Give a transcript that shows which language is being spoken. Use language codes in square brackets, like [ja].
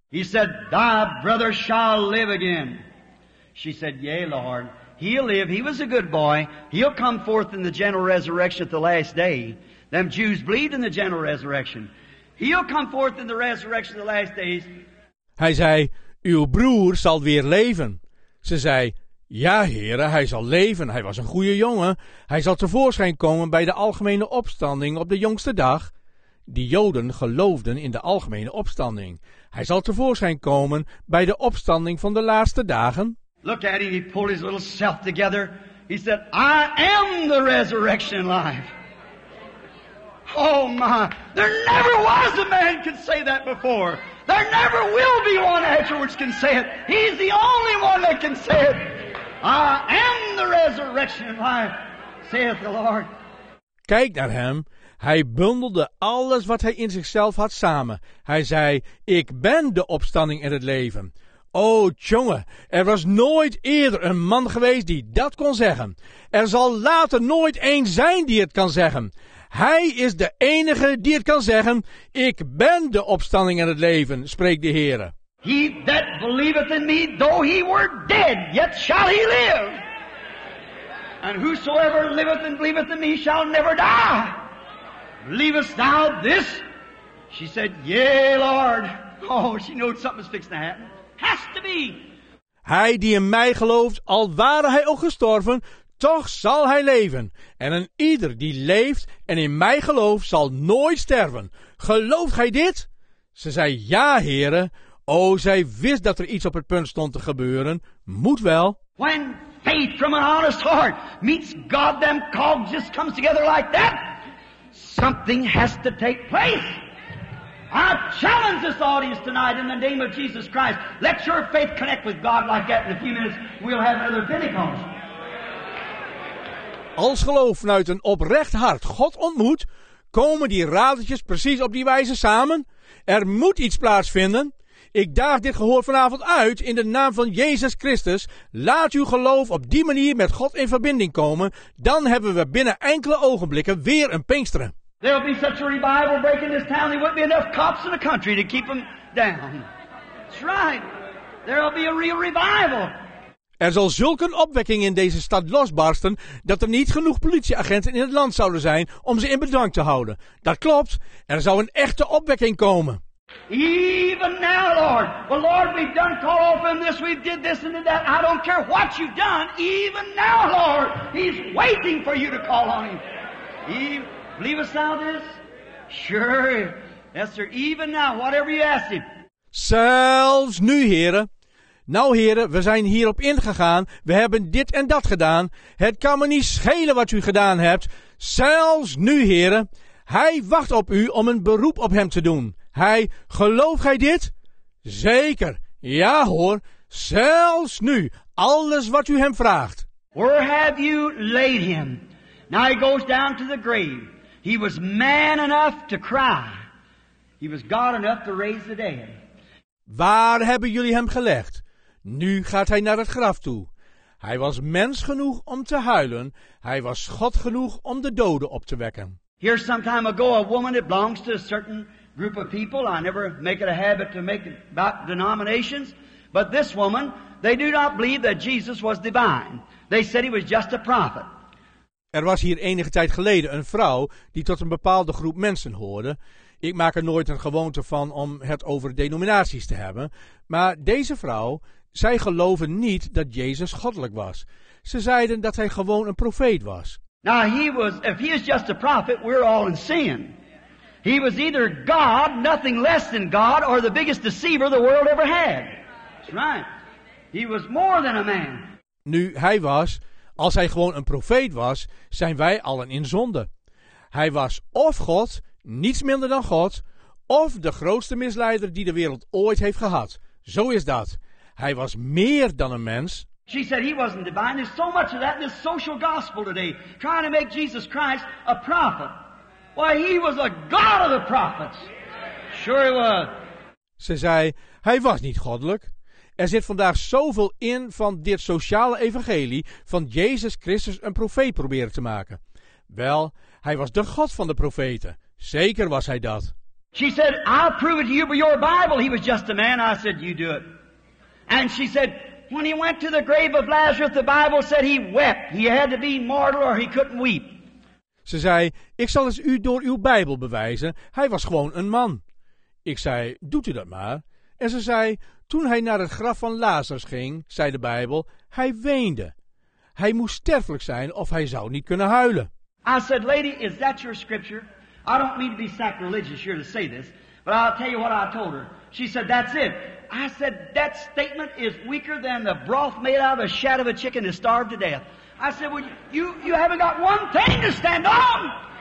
[en] He said, thy brother shall live again. She said, yea, Lord, he'll live. He was a good boy. He'll come forth in the general resurrection at the last day. Them Jews believed in the general resurrection. He'll come forth in the resurrection of the last days. [nl] Hij zei, uw broer zal weer leven. Ze zei, ja, heren, hij zal leven. Hij was een goede jongen. Hij zal tevoorschijn komen bij de algemene opstanding op de jongste dag. Die Joden geloofden in de algemene opstanding. Hij zal tevoorschijn komen bij de opstanding van de laatste dagen. [en] Look at him, he pulled his little self together. He said, I am the resurrection life. Oh my, there never was a man could say that before. There never will be one afterwards can say it. He's the only one that can say it. I am the resurrection life, saith the Lord. [nl] Kijk naar hem. Hij bundelde alles wat hij in zichzelf had samen. Hij zei, ik ben de opstanding en het leven. O, jongen, er was nooit eerder een man geweest die dat kon zeggen. Er zal later nooit één zijn die het kan zeggen. Hij is de enige die het kan zeggen, ik ben de opstanding en het leven, spreekt de Heere. [en] He that believeth in me, though he were dead, yet shall he live. And whosoever liveth and believeth in me shall never die. Believest thou this? She said, yea, Lord. Oh, she knows something's fixed to happen. Has to be. [nl] Hij die in mij gelooft, al ware hij ook gestorven, toch zal hij leven. En een ieder die leeft en in mij gelooft, zal nooit sterven. Gelooft gij dit? Ze zei, ja, heren. O, zij wist dat er iets op het punt stond te gebeuren. Moet wel. [en] When faith from an honest heart meets God, them cogs just comes together like that. Something has to take place. I challenge this audience tonight in the name of Jesus Christ. Let your faith connect with God like that. In a few minutes we'll have another Pentecost. [nl] Als geloof vanuit een oprecht hart God ontmoet, komen die radertjes precies op die wijze samen. Er moet iets plaatsvinden. Ik daag dit gehoor vanavond uit in de naam van Jezus Christus. Laat uw geloof op die manier met God in verbinding komen. Dan hebben we binnen enkele ogenblikken weer een Pinksteren. [en] There'll be such a revival break in this town, there wouldn't be enough cops in the country to keep them down. That's right. There'll be a real revival. [nl] Er zal zulk een opwekking in deze stad losbarsten dat er niet genoeg politieagenten in het land zouden zijn om ze in bedwang te houden. Dat klopt. Er zou een echte opwekking komen. [en] Even now, Lord. Well, Lord, we've done call open this, we did this and did that. I don't care what you've done. Even now, Lord, he's waiting for you to call on him. Believest thou this? Sure. Yes, sir. Even now, whatever you ask him. [nl] Zelfs nu, heren. Nou, heren, we zijn hierop ingegaan. We hebben dit en dat gedaan. Het kan me niet schelen wat u gedaan hebt. Zelfs nu, heren. Hij wacht op u om een beroep op hem te doen. Hij, geloof gij dit? Zeker. Ja hoor. Zelfs nu. Alles wat u hem vraagt. [en] Where have you laid him? Now he goes down to the grave. He was man enough to cry. He was God enough to raise the dead. [nl] Waar hebben jullie hem gelegd? Nu gaat hij naar het graf toe. Hij was mens genoeg om te huilen. Hij was God genoeg om de doden op te wekken. [en] Here some time ago a woman that belongs to a certain group of people. I never make it a habit to make it about denominations. But this woman, they do not believe that Jesus was divine. They said he was just a prophet. [nl] Er was hier enige tijd geleden een vrouw die tot een bepaalde groep mensen hoorde. Ik maak er nooit een gewoonte van om het over denominaties te hebben. Maar deze vrouw, zij geloven niet dat Jezus goddelijk was. Ze zeiden dat hij gewoon een profeet was. [en] Now he was, if he is just a prophet, we're all in sin. He was either God, nothing less than God, or the biggest deceiver the world ever had. That's right. He was more than a man. [nl] Nu hij was, als hij gewoon een profeet was, zijn wij allen in zonde. Hij was of God, niets minder dan God, of de grootste misleider die de wereld ooit heeft gehad. Zo is dat. Hij was meer dan een mens. [en] She said he wasn't divine. There's so much of that in this social gospel today, trying to make Jesus Christ a prophet. Why, he was a God of the prophets. Sure he was. [nl] Ze zei, hij was niet goddelijk. Er zit vandaag zoveel in van dit sociale evangelie van Jezus Christus een profeet proberen te maken. Wel, hij was de God van de profeten. Zeker was hij dat. [en] She said, I'll prove it to you by your Bible. He was just a man. I said, you do it. And she said, when he went to the grave of Lazarus, the Bible said he wept. He had to be mortal or he couldn't weep. [nl] Ze zei, ik zal het u door uw Bijbel bewijzen. Hij was gewoon een man. Ik zei, doet u dat maar. En ze zei, toen hij naar het graf van Lazarus ging, zei de Bijbel, hij weende. Hij moest sterfelijk zijn of hij zou niet kunnen huilen. [en] I said, lady, is that your scripture? I don't mean to be sacrilegious here to say this, but I'll tell you what I told her. She said, that's it. I said, that statement is weaker than the broth made out of a shad of a chicken that starved to death. I said, well, you haven't got one thing to stand on.